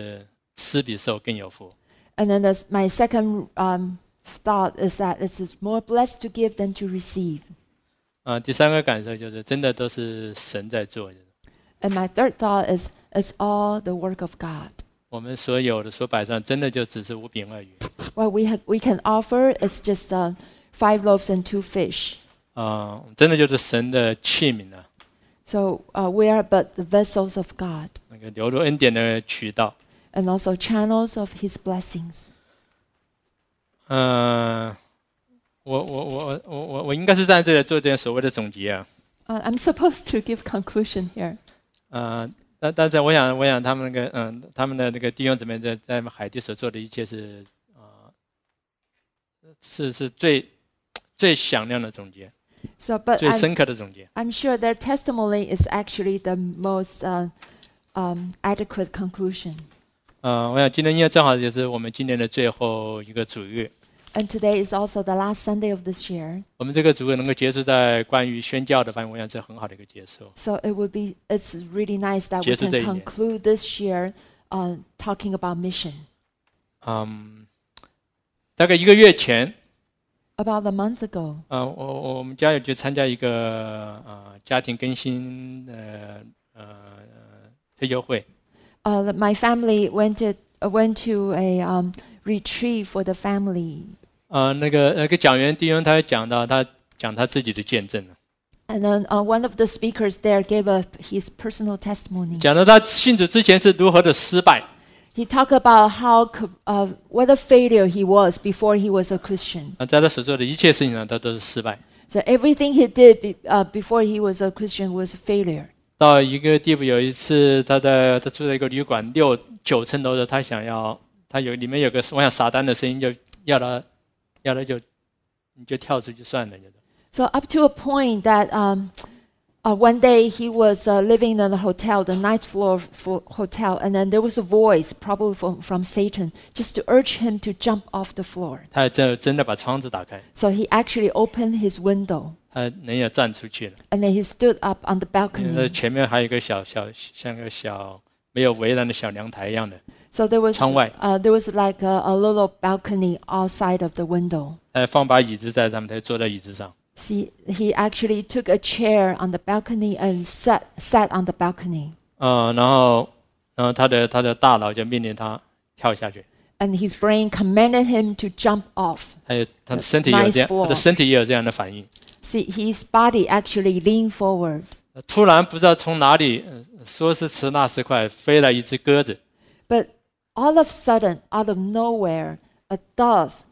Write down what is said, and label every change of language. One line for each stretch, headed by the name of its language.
Chinese: 第二个感受就是听他们见证，觉得真的是施比受更有福。
English: And then my second thought is that it is more blessed to give than to receive.
Chinese: 第三个感受就是真的都是神在做的。
English: And my third thought is it's all the work of God.
Chinese: 我们所有的所摆上真的就只是五饼二鱼。
English: What we can offer is just five loaves and two fish.
Chinese: 真的就是神的器皿了。
English: So we are but the vessels of God.
Chinese: 那个流入恩典的渠道。
English: And also channels of His blessings.
Chinese: 我应该是在这里做点所谓的总结啊。
English: I'm supposed to give conclusion here.
Chinese: 但是我想他们那个他们的那个弟兄姊妹在海地所做的一切是是最响亮的总结。
English: So, but
Chinese: 最深刻的总结。
English: I'm sure their testimony is actually the most adequate conclusion.
Chinese: 我想今天因为正好也是我们今年的最后一个主日。
English: And today is also the last Sunday of this year.
Chinese: 我们这个主日能够结束在关于宣教的方面，我想是很好的一个结束。
English: So it would be, it's really nice that we can conclude this year, talking about mission.
Chinese: 大概一个月前。
English: About a month ago.
Chinese: 我们家有去参加一个家庭更新的退休会。
English: My family went to a retreat for the family.
Chinese: 那个讲员弟兄他讲他自己的见证了。
English: And then one of the speakers there gave up his personal testimony.
Chinese: 讲到他信主之前是如何的失败。
English: He talked about how, what a failure he was before he was a Christian.
Chinese: 在他所做的一切事情呢，他都是失败。
English: So everything he did before he was a Christian was a failure.
Chinese: 到一个地步，有一次他住在一个旅馆，九层楼的，他想要，他有里面有个我想撒旦的声音，就要他就你就跳出去算了。
English: So up to a point that one day he was living in a hotel, the ninth floor for hotel, and then there was a voice, probably from Satan, just to urge him to jump off the floor.
Chinese: 他真的把窗子打开。
English: So he actually opened his window.
Chinese: 他人也站出去了。
English: And then he stood up on the balcony.
Chinese: 前面还有一个小像个小没有围栏的小凉台一样的。
English: So there was
Chinese: 窗外。
English: There was like a little balcony outside of the window.
Chinese: 放把椅子在上面，他坐在椅子上。
English: He actually took a chair on the balcony and sat on the balcony.
Chinese: 然后他的大脑就命令他跳下去。
English: And his brain commanded him to jump off.
Chinese: 他的身体有这样，他的身体也有这样的反应。
English: See, his body actually leaned forward.
Chinese: 突然不知道从哪里，说是迟那时快，飞来一只鸽子。
English: But all of a sudden, out of nowhere, a dove.